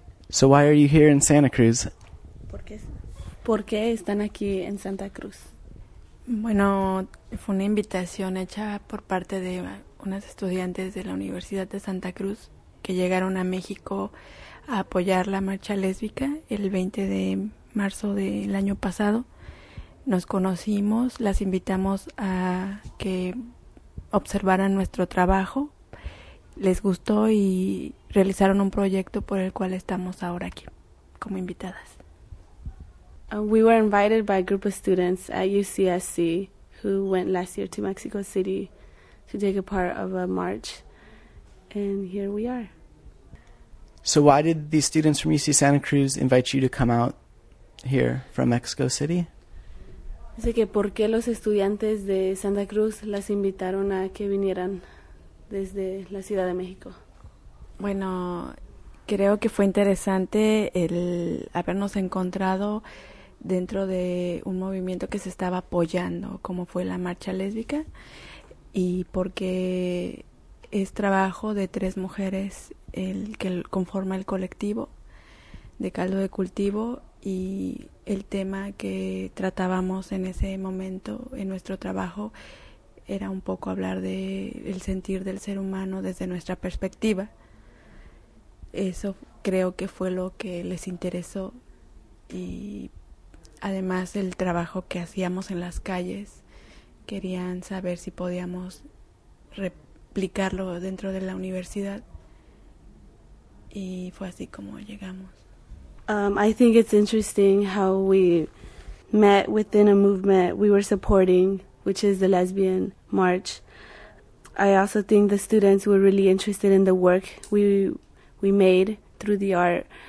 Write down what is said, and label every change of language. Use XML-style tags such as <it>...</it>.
<en>So why are you here in Santa Cruz?</en> <es>¿Por qué están aquí en Santa Cruz? Bueno, fue una invitación hecha por parte de unas estudiantes de la Universidad de Santa Cruz que llegaron a México a apoyar la marcha lésbica el 20 de marzo del año pasado. Nos conocimos, las invitamos a que observaran nuestro trabajo, les gustó y realizaron un proyecto por el cual estamos ahora aquí como invitadas.</es> <en>We were invited by a group of students at UCSC who went last year to Mexico City to take a part of a march, and here we are. So why did these students from UC Santa Cruz invite you to come out here from Mexico City?</en> <es>Así que, ¿por qué los estudiantes de Santa Cruz las invitaron a que vinieran desde la Ciudad de México? Bueno, creo que fue interesante el habernos encontrado dentro de un movimiento que se estaba apoyando, como fue la marcha lésbica, y porque es trabajo de tres mujeres el que conforma el colectivo de Caldo de Cultivo, y el tema que tratábamos en ese momento en nuestro trabajo era un poco hablar del sentir del ser humano desde nuestra perspectiva. Eso creo que fue lo que les interesó, y además el trabajo que hacíamos en las calles, querían saber si podíamos replicarlo dentro de la universidad, y fue así como llegamos.</es> <en>I think it's interesting how we met within a movement we were supporting, which is the Lesbian March. I also think the students were really interested in the work we made through the art.</en>